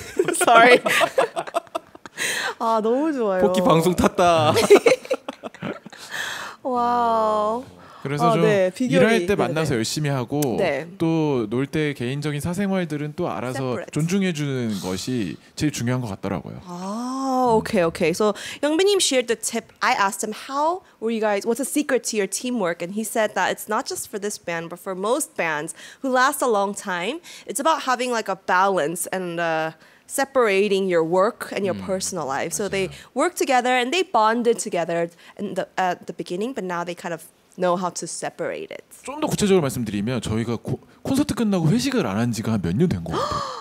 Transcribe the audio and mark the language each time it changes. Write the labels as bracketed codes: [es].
[ko] sorry. 아 너무 좋아요. 포키 방송 탔다. 와우. 그래서 아, 좀 네, 일할 때 만나서 네네. 열심히 하고 네. 또 놀 때 개인적인 사생활들은 또 알아서 [en] Separate. [ko] 존중해주는 것이 제일 중요한 것 같더라고요. [en] 아, 오케이, 오케이. So, 영빈님 shared the tip. I asked him how were you guys, what's the secret to your teamwork? And he said that it's not just for this band, but for most bands who last a long time. It's about having like a balance and separating your work and your personal life. [ko] 맞아요. [en] So they work together and they bonded together at the beginning, but now they kind of know how to separate it. [ko] 좀 더 구체적으로 말씀드리면 저희가 콘서트 끝나고 회식을 안 한 지가 몇 년 된 것 같아요.